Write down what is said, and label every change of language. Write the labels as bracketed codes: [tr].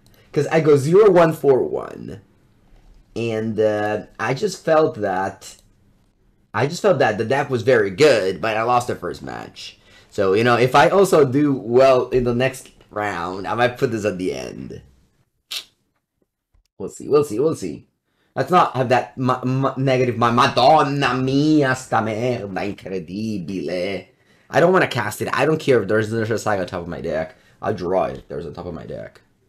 [en] Because I go 0-1-4-1. And I just felt that the deck was very good, but I lost the first match. So, you know, if I also do well in the next round, I might put this at the end. We'll see. Let's not have that negative. [it] Madonna mia, sta merda incredibile. [en] I don't want to cast it. I don't care if there's another side on top of my deck. I'll draw it if there's on top of my deck.